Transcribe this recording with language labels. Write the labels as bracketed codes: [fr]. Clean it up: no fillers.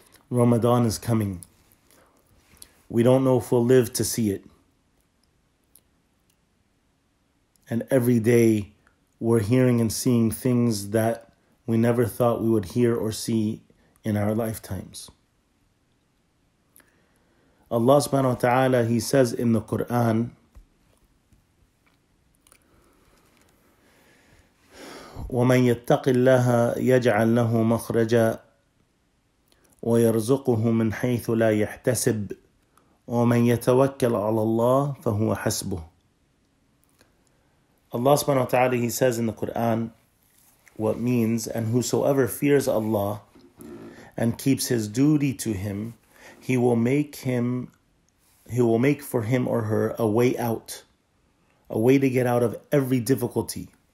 [en] Ramadan is coming. We don't know if we'll live to see it. And every day, we're hearing and seeing things that we never thought we would hear or see in our lifetimes. Allah subhanahu wa ta'ala, He says in the Quran, [ar] وَمَنْ يَتَّقِ اللَّهَ يَجْعَلْ لَهُ مَخْرَجًا وَيَرْزُقُهُ مِنْ حَيْثُ لَا يَحْتَسِبْ وَمَنْ يَتَوَكَّلْ عَلَى اللَّهِ فَهُوَ حَسْبُهُ. [en] Allah subhanahu wa ta'ala, He says in the Quran what means, and whosoever fears Allah and keeps his duty to Him, He will make for him or her a way out, a way to get out of every difficulty.